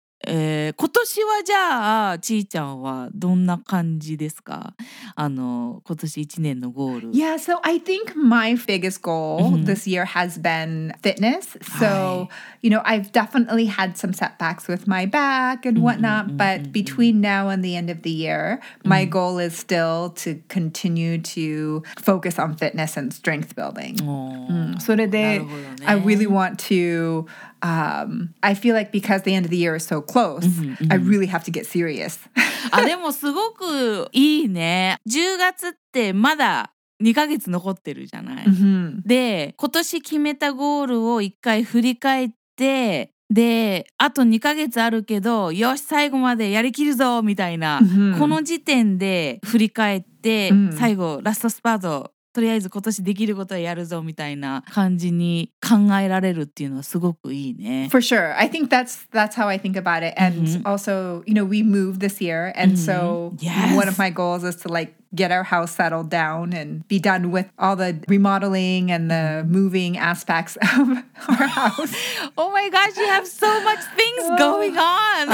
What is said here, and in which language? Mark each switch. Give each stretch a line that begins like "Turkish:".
Japanese: 今年はじゃあちーちゃんはどんな感じですか？あの今年1年のゴール。
English: Yeah, so I think my biggest goal this year has been fitness. So, you know, I've definitely had some setbacks with my back and whatnot, but between now and the end of the year, my goal is still to continue to focus on fitness and strength building. So today, I really want to I feel like because the end of the year is so close, I really have to get serious.
Japanese: あ、でもすごくいいね。 10月ってまだ2ヶ月残ってるじゃない。で、今年決めたゴールを一回振り返って、で、あと2ヶ月あるけど、よし最後までやりきるぞみたいな、この時点で振り返って、最後ラストスパート。とりあえず今年できることはやるぞみたいな感じに考えられるっていうのはすごくいいね。
English: For sure. I think that's how I think about it. And also, you know, we moved this year. And so one of my goals is to like get our house settled down and be done with all the remodeling and the moving aspects of our house. Oh my gosh, you have so much things going on.